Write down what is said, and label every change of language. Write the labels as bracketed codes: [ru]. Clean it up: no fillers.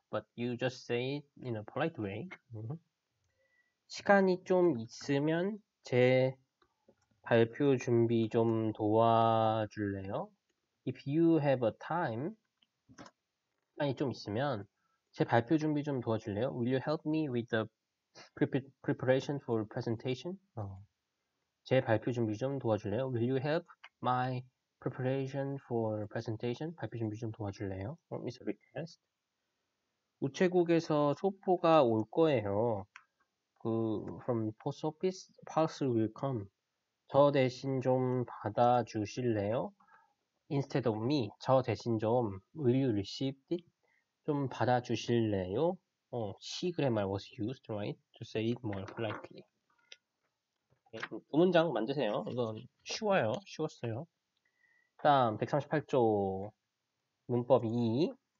[en] But you just say it in a polite way. [ko] 시간이 좀 있으면 제 발표 준비 좀 도와줄래요? [en] If you have a time, [ko] 시간이 좀 있으면 제 발표 준비 좀 도와줄래요? [en] Will you help me with the Preparation for presentation? [ko] 제 발표 준비 좀 도와줄래요? [en] Will you help my preparation for presentation? [ko] 발표 준비 좀 도와줄래요? [en] It's a request. [ko] 우체국에서 소포가 올 거예요. [en] From post office, parcel will come. [ko] 저 대신 좀 받아주실래요? [en] Instead of me, [ko] 저 대신 좀, [en] will you receive it? [ko] 좀 받아주실래요? [en] 시 grammar was used, right? To say it more politely. [ko] 두 문장 만드세요. 이건 쉬워요. 쉬웠어요. 다음, 138조 문법 2.